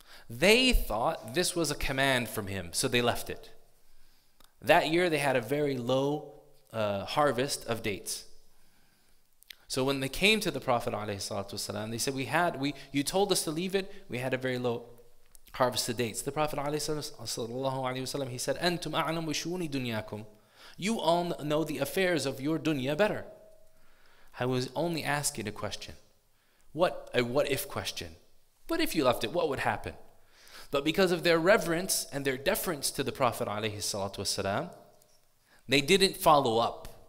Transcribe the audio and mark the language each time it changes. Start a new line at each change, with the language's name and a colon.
English: They thought this was a command from him, so they left it. That year they had a very low harvest of dates. So when they came to the Prophet ﷺ, they said, you told us to leave it, we had a very low harvest of dates. The Prophet ﷺ, he said,
Arabic: أنتم أعلم بشؤون دنياكم.
English: You all know the affairs of your dunya better. I was only asking a question. What a what-if question. What if you left it? What would happen? But because of their reverence and their deference to the Prophet ﷺ, they didn't follow up.